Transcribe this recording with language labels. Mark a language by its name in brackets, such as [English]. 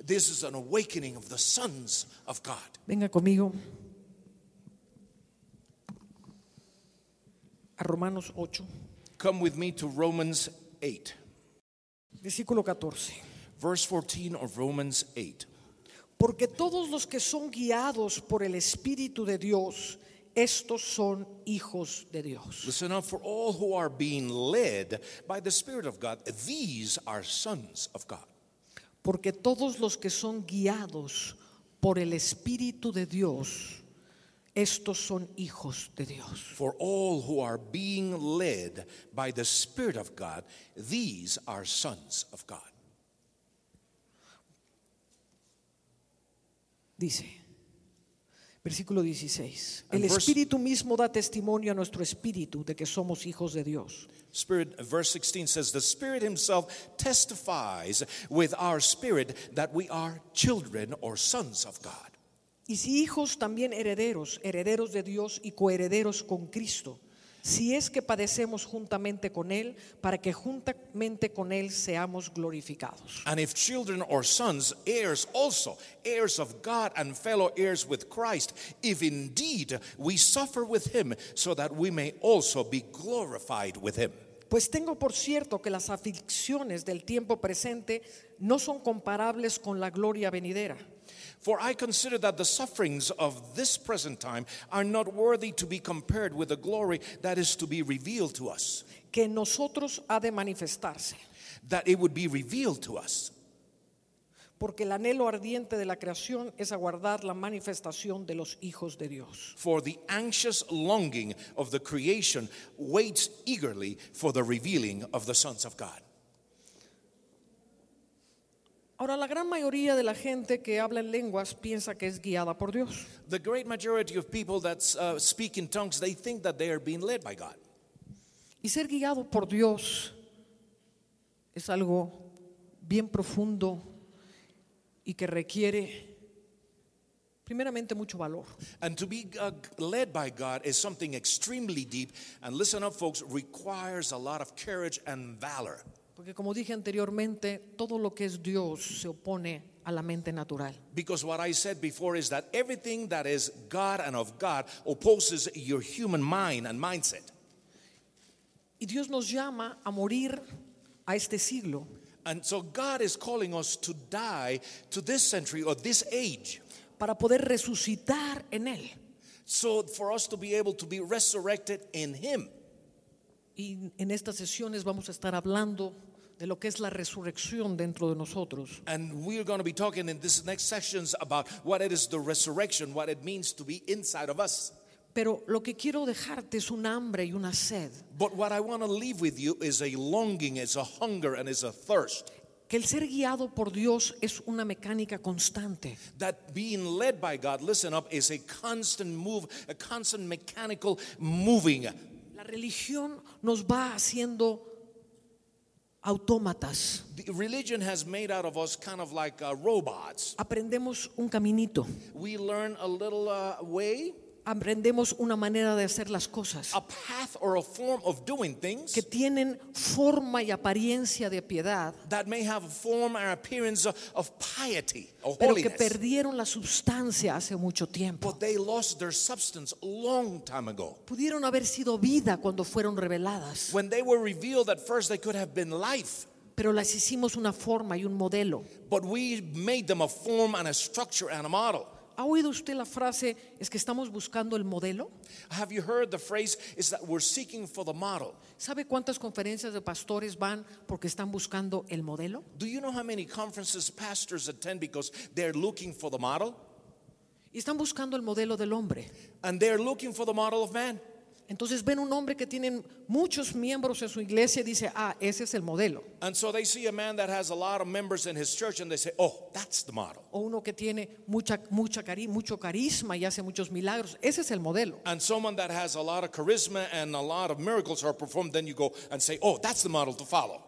[English] This is an awakening of the sons of God. [Spanish] Venga conmigo a Romanos 8. [English] Come with me to Romans 8. [Spanish] Versículo 14. [English] Verse 14 of Romans 8. [Spanish] Porque todos los que son guiados por el Espíritu de Dios, estos son hijos de Dios. [English] Listen up, for all who are being led by the Spirit of God, these are sons of God. [Spanish] Porque todos los que son guiados por el Espíritu de Dios, estos son hijos de Dios. [English] For all who are being led by the Spirit of God, these are sons of God. [Spanish] Dice. Versículo 16. El Espíritu mismo da testimonio a nuestro espíritu de que somos hijos de Dios. [English] Spirit, verse 16 says, the Spirit himself testifies with our spirit that we are children or sons of God. [Spanish] Y si hijos, también herederos, herederos de Dios y coherederos con Cristo, si es que padecemos juntamente con Él, para que juntamente con Él seamos glorificados. [English] And if children or sons, heirs also, heirs of God and fellow heirs with Christ, if indeed we suffer with Him, so that we may also be glorified with Him. [Spanish] Pues tengo por cierto que las aflicciones del tiempo presente no son comparables con la gloria venidera. [English] For I consider that the sufferings of this present time are not worthy to be compared with the glory that is to be revealed to us. [Spanish] Que en nosotros ha de manifestarse. [English] That it would be revealed to us. [Spanish] Porque el anhelo ardiente de la creación es aguardar la manifestación de los hijos de Dios. [English] For the anxious longing of the creation waits eagerly for the revealing of the sons of God. [Spanish] Ahora la gran mayoría de la gente que habla en lenguas piensa que es guiada por Dios. [English] The great majority of people that speak in tongues, they think that they are being led by God. [Spanish] Y ser guiado por Dios es algo bien profundo y que requiere primeramente mucho valor. [English] And to be led by God is something extremely deep, and listen up folks, requires a lot of courage and valor. [Spanish] Porque como dije anteriormente, todo lo que es Dios se opone a a la mente natural. [English] Because what I said before is that everything that is God and of God opposes your human mind and mindset. [Spanish] Y Dios nos llama a morir a este siglo. [English] And so God is calling us to die to this century or this age. [Spanish] Para poder resucitar en él. [English] So for us to be able to be resurrected in him. [Spanish] Y en estas sesiones vamos a estar hablando de lo que es la resurrección dentro de nosotros. [English] And we're going to be talking in these next sessions about what it is the resurrection, what it means to be inside of us. [Spanish] Pero lo que quiero dejarte es un hambre y una sed. [English] But what I want to leave with you is a longing, is a hunger, and is a thirst. [Spanish] Que el ser guiado por Dios es una mecánica constante. [English] That being led by God, listen up, is a constant move, a constant mechanical moving. [Spanish] La religión nos va haciendo autómatas. [English] The religion has made out of us kind of like robots. [Spanish] Aprendemos un caminito. [English] We learn a little way. [Spanish] Aprendemos una manera de hacer las cosas. [English] A path or a form of doing things. [Spanish] Que tienen forma y apariencia de piedad. [English] That may have a form or appearance of piety or holiness. [Spanish] Pero que perdieron la sustancia hace mucho tiempo. [English] But they lost their substance long time ago. [Spanish] Pudieron haber sido vida cuando fueron reveladas. [English] When they were revealed at first, they could have been life. [Spanish] Pero las hicimos una forma y un modelo. [English] But we made them a form and a structure and a model. [Spanish] ¿Ha oído usted la frase, es que estamos buscando el modelo? [English] Have you heard the phrase, is that we're seeking for the model? [Spanish] ¿Sabe cuántas conferencias de pastores van porque están buscando el modelo? [English] Do you know how many conferences pastors attend because they're looking for the model? [Spanish] Y están buscando el modelo del hombre. [English] And they're looking for the model of man. [Spanish] Entonces ven un hombre que tiene muchos miembros en su iglesia y dice, ah, ese es el modelo. [English] And so they see a man that has a lot of members in his church and they say, oh, that's the model. [Spanish] O uno que tiene mucho carisma y hace muchos milagros, ese es el modelo. [English] And someone that has a lot of charisma and a lot of miracles are performed, then you go and say, oh, that's the model to follow.